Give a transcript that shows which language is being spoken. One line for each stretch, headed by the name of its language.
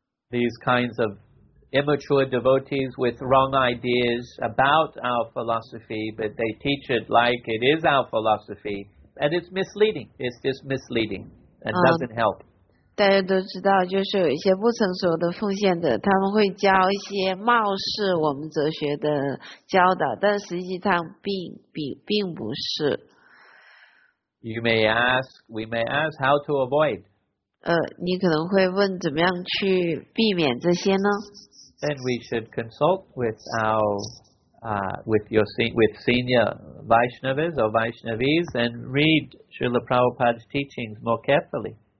English: these kinds of immature devotees with wrong ideas about our philosophy, but they teach it like it is our philosophy, and it's misleading. It's just misleading and doesn't help.
Chinese: 大家都知道，就是有一些不成熟的奉献者，他们会教一些貌似我们哲学的教导，但实际上并不是。
English: We may ask how to avoid.
Chinese: 你可能会问怎么样去避免这些呢
English: ？Then we should consult with our with senior Vaishnavas or Vaishnavis and read Srila Prabhupada's teachings more carefully.